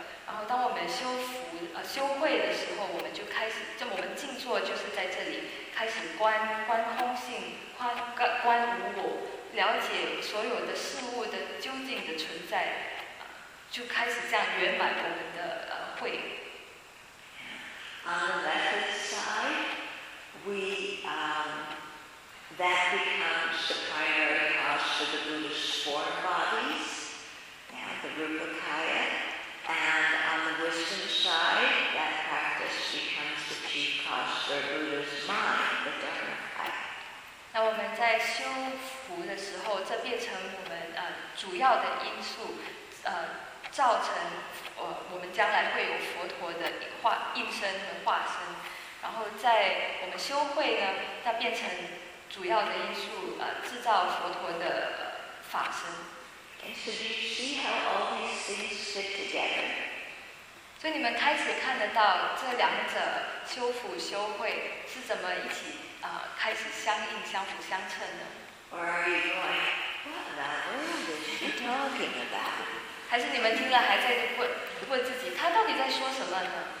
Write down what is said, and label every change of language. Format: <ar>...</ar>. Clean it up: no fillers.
<zh>然后当我们修福修慧的时候，我们就开始，就我们静坐就是在这里开始观空性，观无我，了解所有的事物的究竟的存在，就开始这样圆满我们的慧。</zh> <en>On the left side, we that becomes the primary house of the Buddha's four bodies, and the Rupa Kaya. And on the wisdom side, that practice becomes the chief cause for Buddha's mind, the Dharma Kaya.</en> <zh>那我们在修福的时候，这变成我们主要的因素，造成我们将来会有佛陀的应身和化身，然后在我们修慧呢，它变成主要的因素，制造佛陀的法身。</zh> <en>So do you see how all these things fit together?</en> <zh>所以你们开始看得到这两者修福修慧是怎么一起开始相应相辅相成的</zh> <en>？Or are you going, what the world is she talking about?</en> <zh>还是你们听了还在问自己，他到底在说什么呢？</zh>